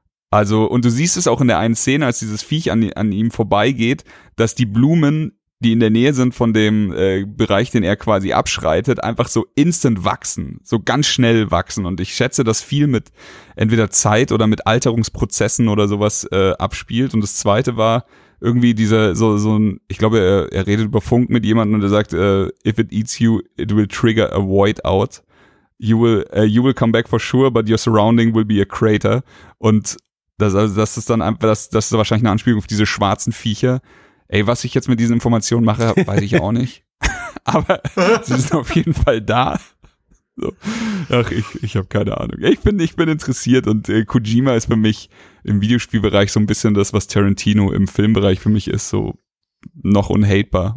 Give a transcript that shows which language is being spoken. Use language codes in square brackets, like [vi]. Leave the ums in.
[de] Also, und du siehst es auch in der einen Szene, als dieses Viech an, an ihm vorbeigeht, dass die Blumen, die in der Nähe sind von dem äh, Bereich, den er quasi abschreitet, einfach so instant wachsen, so ganz schnell wachsen. Und ich schätze, dass viel mit entweder Zeit oder mit Alterungsprozessen oder sowas äh, abspielt. Und das zweite war irgendwie dieser, so, so ein, ich glaube, er, er redet über Funk mit jemandem und er sagt, äh, [en] if it eats you, it will trigger a void out. You will, äh, you will come back for sure, but your surrounding will be a crater. [de] Und das, also das ist dann einfach, das, das ist wahrscheinlich eine Anspielung auf diese schwarzen Viecher. Ey, was ich jetzt mit diesen Informationen mache, weiß ich auch nicht. Aber sie sind auf jeden Fall da. So. Ach, ich, ich habe keine Ahnung. Ich bin, ich bin interessiert und äh, Kojima ist für mich im Videospielbereich so ein bisschen das, was Tarantino im Filmbereich für mich ist, so noch unhatebar.